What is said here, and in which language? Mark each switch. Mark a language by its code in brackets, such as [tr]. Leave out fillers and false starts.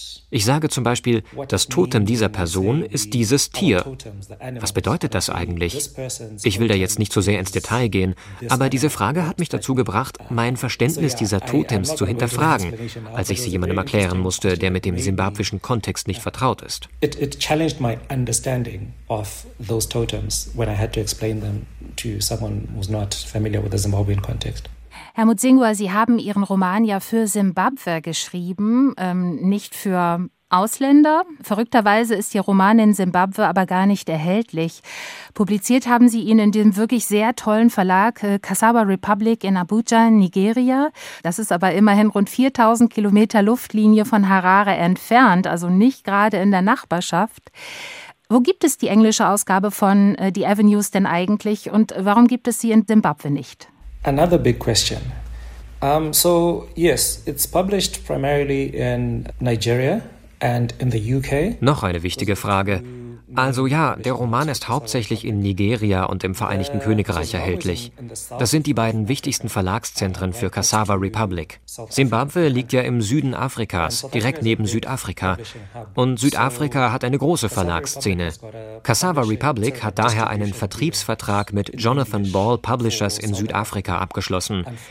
[de] Ich sage zum Beispiel, das Totem dieser Person ist dieses Tier. Was bedeutet das eigentlich? Ich will da jetzt nicht so sehr ins Detail gehen, aber diese Frage hat mich dazu gebracht, mein Verständnis dieser Totems zu hinterfragen, als ich sie jemandem erklären musste, der mit dem simbabwischen Kontext nicht vertraut ist. [en] It challenged my understanding of those totems when I had to explain them to someone who's not familiar with the Zimbabwean context. [de] Herr Mudzingwa, Sie haben Ihren Roman ja für Simbabwe geschrieben, nicht für Ausländer. Verrückterweise ist Ihr Roman in Simbabwe aber gar nicht erhältlich. Publiziert haben Sie ihn in dem wirklich sehr tollen Verlag Cassava Republic in Abuja, Nigeria. Das ist aber immerhin rund 4000 Kilometer Luftlinie von Harare entfernt, also nicht gerade in der Nachbarschaft. Wo gibt es die englische Ausgabe von The Avenues denn eigentlich und warum gibt es sie in Simbabwe nicht? [en] Another big question. It's published primarily in Nigeria and in the UK. [de] Noch eine wichtige Frage. Also ja, der Roman ist hauptsächlich in Nigeria und im Vereinigten Königreich erhältlich. Das sind die beiden wichtigsten Verlagszentren für Cassava Republic. Simbabwe liegt ja im Süden Afrikas, direkt neben Südafrika. Und Südafrika hat eine große Verlagsszene. Cassava Republic hat daher einen Vertriebsvertrag mit Jonathan Ball Publishers in Südafrika abgeschlossen.